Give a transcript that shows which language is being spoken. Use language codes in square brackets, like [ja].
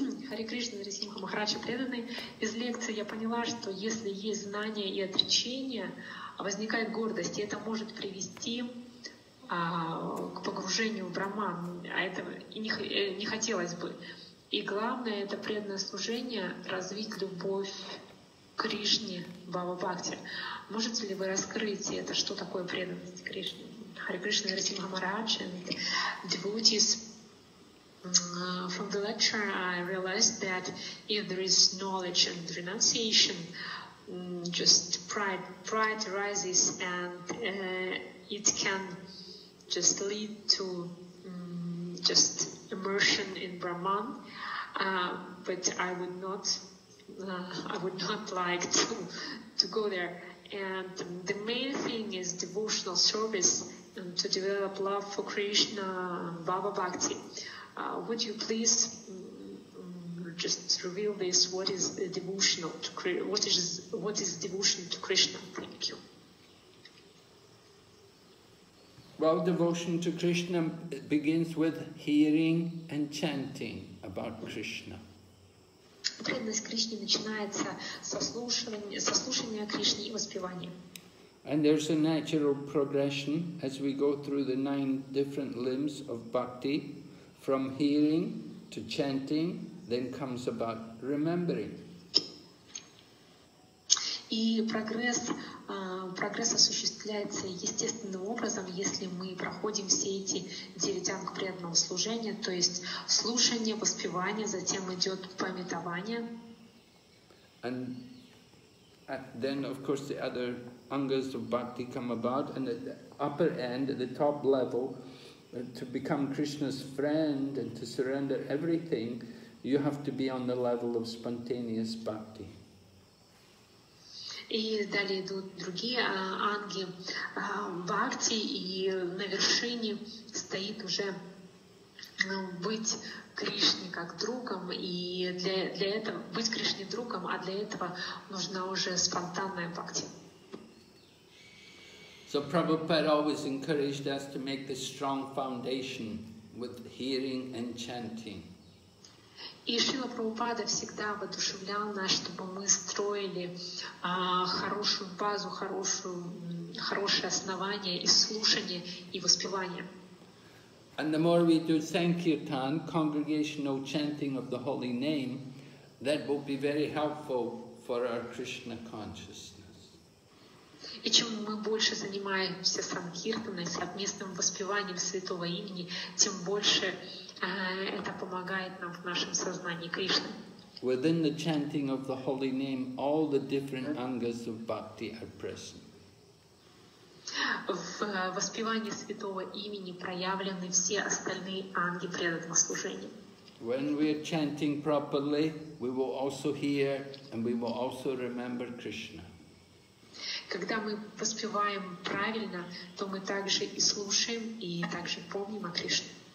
[ru] Харе Кришна, Нарисимха Махарадж, преданный. Из лекции я поняла, что если есть знание и отречение, возникает гордость, и это может привести к погружению в Брахман. А это и не хотелось бы. И главное — это преданное служение, развить любовь к Кришне, Бхава-бхакти. Можете ли вы раскрыть это, что такое преданность Кришне? [en] Харе Кришна, Нарасимха Махарадж, and devotees. From the lecture, I realized that if there is knowledge and renunciation, just pride arises and it can just lead to just immersion in Brahman. But I would not like to go there. And the main thing is devotional service and to develop love for Krishna, Baba Bhakti. Would you please just reveal this? What is devotional to Krishna? What is devotion to Krishna? Thank you. Well, devotion to Krishna begins with hearing and chanting about Krishna. [ru] Преданность Кришне начинается со слушания Кришны и воспевания. [en] And there's a natural progression as we go through the 9 different limbs of bhakti, from hearing to chanting, then comes about remembering. [ru] И прогресс осуществляется естественным образом, если мы проходим все эти 9 анг преданного служения, то есть слушание, воспевание, затем идет памятование. [en] And then, of course, the other angas of bhakti come about, and at the upper end, at the top level, to become Krishna's friend and to surrender everything, you have to be on the level of spontaneous bhakti. [ru] И далее идут другие анги бхакти, и на вершине стоит уже быть Кришне как другом, и для этого быть Кришне другом, а для этого нужна уже спонтанная бхакти. [en] So Prabhupada always encouraged us to make this strong foundation with hearing and chanting. [ru] И Шрила Прабхупада всегда воодушевлял нас, чтобы мы строили хорошую базу, хорошее основание из слушания и воспевания. [en] And the more we do Sankirtan, congregational chanting of the holy name, that will be very helpful for our Krishna consciousness. [ru] И чем мы больше занимаемся санкиртаной, совместным воспеванием святого имени, тем больше это помогает нам в нашем сознании Кришны. [en] Within the chanting of the holy name, all the different angas of bhakti are present. [ru] В воспевании святого имени проявлены все остальные анги преданного служения. [en] When we are chanting properly, we will also hear and we will also remember Krishna. [ru] Когда мы воспеваем правильно, то мы также и слушаем, и также помним о Кришне.